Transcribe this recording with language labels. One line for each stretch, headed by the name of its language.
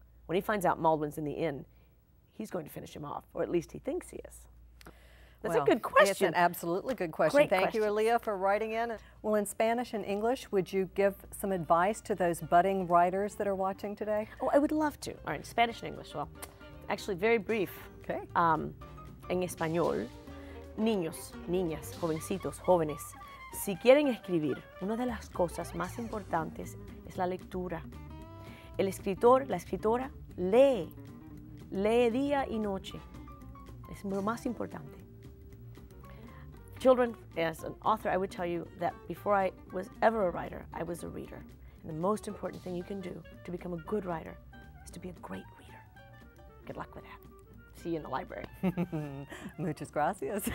English: When he finds out Maldwyn's in the inn, he's going to finish him off, or at least he thinks he is. That's a good question. It's an absolutely good question. Thank you, Aaliyah, for writing in. Well, in Spanish and English, would you give some advice to those budding writers that are watching today? Oh, I would love to. All right, Spanish and English. Well, actually, very brief. Okay.
Spanish: En español, niños, niñas, jovencitos, jóvenes, si quieren escribir, una de las cosas más importantes es la lectura. El escritor, la escritora, lee día y noche. Es lo más importante.
English: Children, as an author, I would tell you that before I was ever a writer, I was a reader. And the most important thing you can do to become a good writer is to be a great reader. Good luck with that. See you in the library.
Spanish: Muchas gracias.